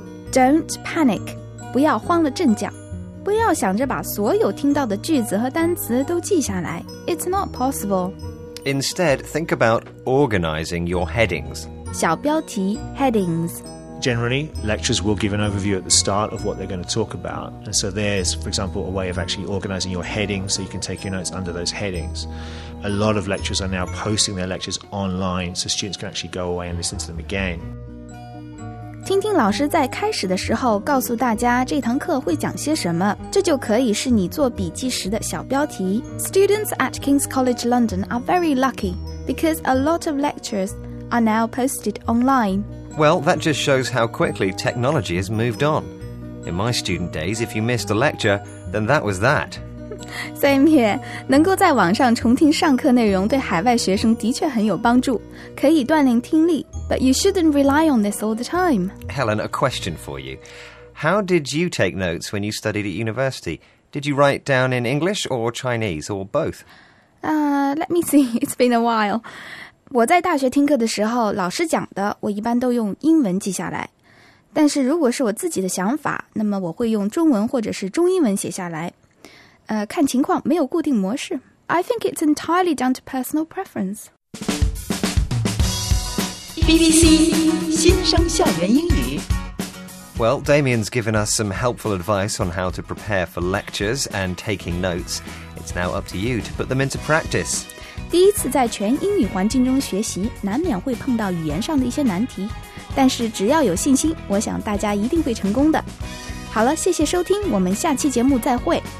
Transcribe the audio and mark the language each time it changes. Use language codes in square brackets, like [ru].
[en] Don't panic. [zh] 不要慌了阵脚。不要想着把所有听到的句子和单词都记下来。 [en] It's not possible. Instead, think about organizing your headings. [zh] 小标题 headings. [en] Generally, lecturers will give an overview at the start of what they're going to talk about. And so there's, for example, a way of actually organizing your headings so you can take your notes under those headings. A lot of lecturers are now posting their lectures online so students can actually go away and listen to them again. [zh] 听听老师在开始的时候告诉大家这堂课会讲些什么，这就可以是你做笔记时的小标题。 [en] Students at King's College London are very lucky because a lot of lectures are now posted online. Well, that just shows how quickly technology has moved on. In my student days, if you missed a lecture, then that was that. Same here. [zh] 能够在网上重听上课内容对海外学生的确很有帮助，可以锻炼听力。 [en] But you shouldn't rely on this all the time. Helen, a question for you. How did you take notes when you studied at university? Did you write down in English or Chinese or both? Let me see. It's been a while. [zh] 我在大学听课的时候，老师讲的我一般都用英文记下来。但是如果是我自己的想法，那么我会用中文或者是中英文写下来。看情况，没有固定模式。 [en] I think it's entirely down to personal preference. [zh] BBC 新生校园英语。 [en] Well, Damien's given us some helpful advice on how to prepare for lectures and taking notes. It's now up to you to put them into practice. [zh] 第一次在全英语环境中学习，难免会碰到语言上的一些难题。但是只要有信心，我想大家一定会成功的。好了，谢谢收听，我们下期节目再会。